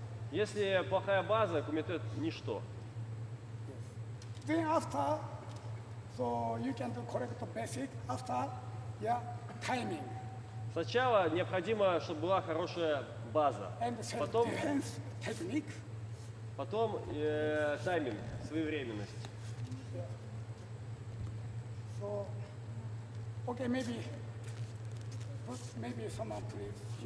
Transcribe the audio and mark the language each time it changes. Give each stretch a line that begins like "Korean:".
Russian: Если плохая база, кумите – ничто.
English: Then after, so you can do correct basic after, yeah, timing.
Russian: Сначала необходимо, чтобы была хорошая база.
English: And
Russian: потом
English: defense, technique.
Russian: Потом тайминг, своевременность.
English: So, okay, maybe someone, please.